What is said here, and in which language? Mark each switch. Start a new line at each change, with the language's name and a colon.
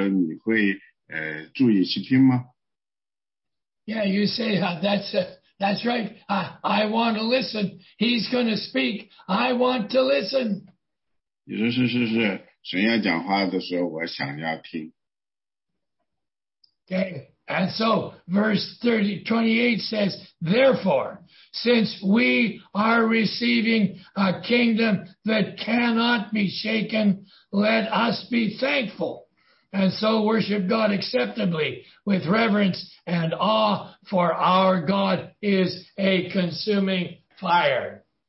Chinese: 问题是呢，如果神在说话的时候，你会注意去听吗？
English: Yeah, you say, that's right, I want to listen, he's going to speak, I want to listen.
Chinese: 你说是，神要讲话的时候，我想要听。
English: Okay. And so, verse 28 says, therefore, since we are receiving a kingdom that cannot be shaken, let us be thankful and so worship God acceptably with reverence and awe, for our God is a consuming fire.